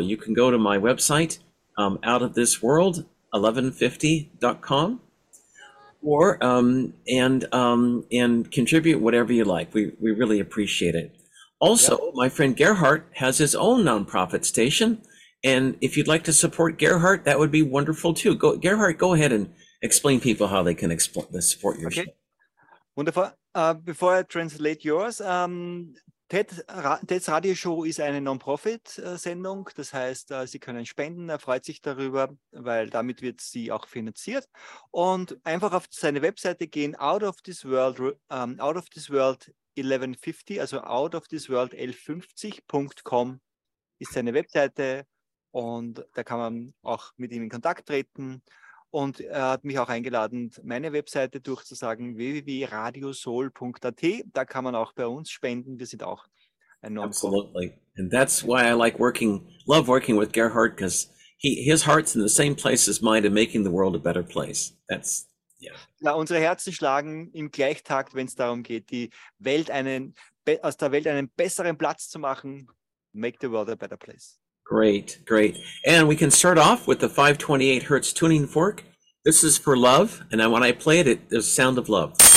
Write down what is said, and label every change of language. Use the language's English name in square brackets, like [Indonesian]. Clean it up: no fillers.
[English] You can go to my website, Out of This World, 1150.com, and contribute whatever you like. We really appreciate it. Also, yep. My friend Gerhardt has his own nonprofit station, and if you'd like to support Gerhardt, that would be wonderful too. Gerhardt, go ahead and explain people how they can support your show. Wonderful. Before I translate yours, [German] Ted's Radio Show ist eine Non-Profit-Sendung. Das heißt, Sie können spenden. Er freut sich darüber, weil damit wird sie auch finanziert. Und einfach auf seine Webseite gehen, out of this world 1150, also outofthisworld1150.com ist seine Webseite. Und da kann man auch mit ihm in Kontakt treten. Und er hat mich auch eingeladen, meine Webseite durchzusagen, www.radiosoul.at. Da kann man auch bei uns spenden. Wir sind auch ein Non-Profit. [English] Absolutely. And that's why I love working with Gerhardt, because his heart's in the same place as mine in making the world a better place. [German] Ja, unsere Herzen schlagen im Gleichtakt, wenn es darum geht, aus der Welt einen besseren Platz zu machen. [English] Make the world a better place. Great, great. And we can start off with the 528 Hertz tuning fork. This is for love. And when I play it, there's a sound of love.